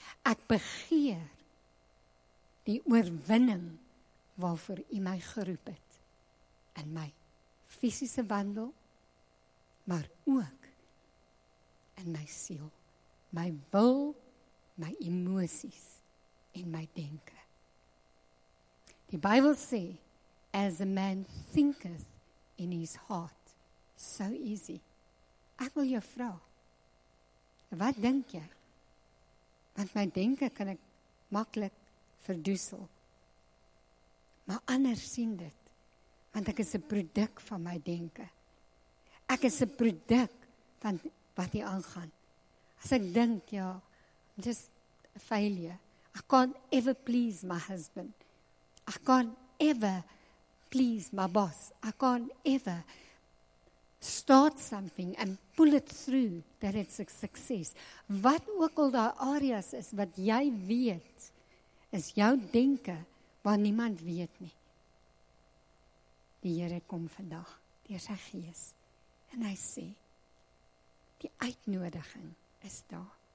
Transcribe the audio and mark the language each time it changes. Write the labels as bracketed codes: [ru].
[af] Ek begeer die oorwinning waarvoor u my geroep het in my fisiese wandel, maar ook in my siel, my wil, my emosies en my denke. Die Bybel sê, [en] as a man thinketh in his heart, so is he. [af] Ek wil jou vra, wat dink jy? Want my denke kan ek makkelijk verdoesel. Maar anders sien dit, want ek is 'n produk van my denke. Ek is 'n produk van wat hier aangaan. As ek dink, ja, [en] I'm just a failure. I can't ever please my husband. I can't ever please my boss. I can't ever start something and pull it through that it's a success. [af] Wat ook al daai areas is wat jy weet, is jou denke wat niemand weet nie. Die Here kom vandag deur sy gees en hy sê, die uitnodiging is daar.